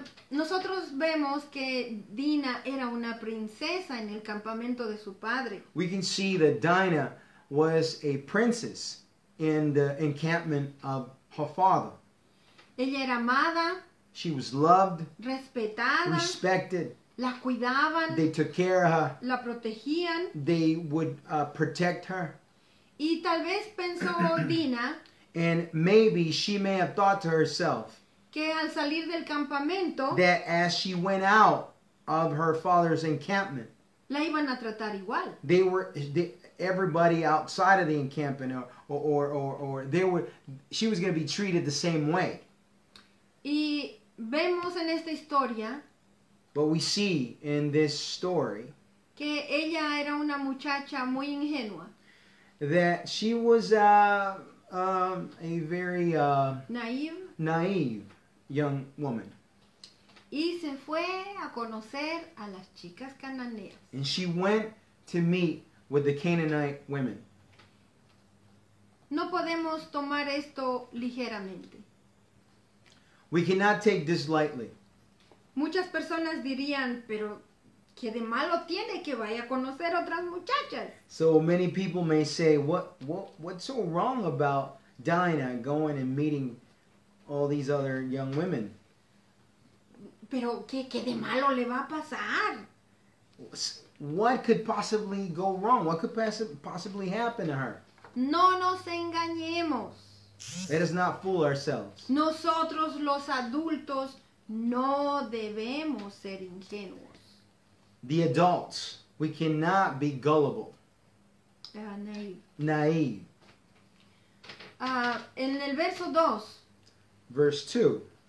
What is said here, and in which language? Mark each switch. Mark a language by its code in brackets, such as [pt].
[es] Nosotros vemos que Dina era una princesa en el campamento de su padre. [en] We can see that Dina was a princess in the encampment of her father. [es] Ella era amada. [en] She was loved. [es] Respetada. [en] Respected. [es] La cuidaban. [en] They took care of her. [es] La protegían. [en] They would protect her. [es] Y tal vez pensó Dina. [en] And maybe she may have thought to herself. [es] Que al salir del campamento. [en] That as she went out of her father's encampment. [es] La iban a tratar igual. [en] They were... Everybody outside of the encampment or they were, she was going to be treated the same way. [es] Y vemos en esta historia. [en] But we see in this story. [es] Que ella era una muchacha muy ingenua. [en] That she was a very naive young woman. [es] Y se fue a conocer a las chicas cananeas. [en] And she went to meet with the Canaanite women. [es] No podemos tomar esto ligeramente. [en] We cannot take this lightly. [es] Muchas personas dirían, pero ¿qué de malo tiene que vaya a conocer otras muchachas? [en] So many people may say, what's so wrong about Dinah going and meeting all these other young women. [es] Pero qué de malo le va a pasar? [en] What could possibly go wrong? What could possibly happen to her? [es] No nos engañemos. [en] Let us not fool ourselves. [es] Nosotros los adultos no debemos ser ingenuos. [en] The adults, we cannot be gullible. Naive. Naive. [es] En el verso 2. [en] Verse 2.